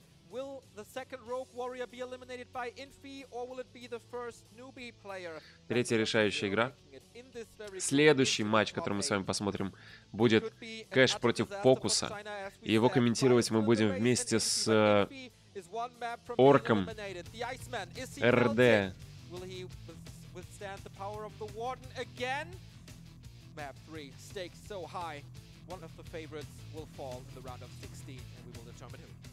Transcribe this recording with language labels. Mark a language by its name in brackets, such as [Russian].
[English] Will the second rogue warrior be eliminated by Infi, or will it be the first newbie player? [Russian] Третья решающая игра. Следующий матч, который мы с вами посмотрим, будет Кэш против Фокуса. И его комментировать мы будем вместе с орком РД. [English] Will he withstand the power of the Warden again? Map 3 stakes so high. One of the favorites will fall in the round of 16, and we will determine him.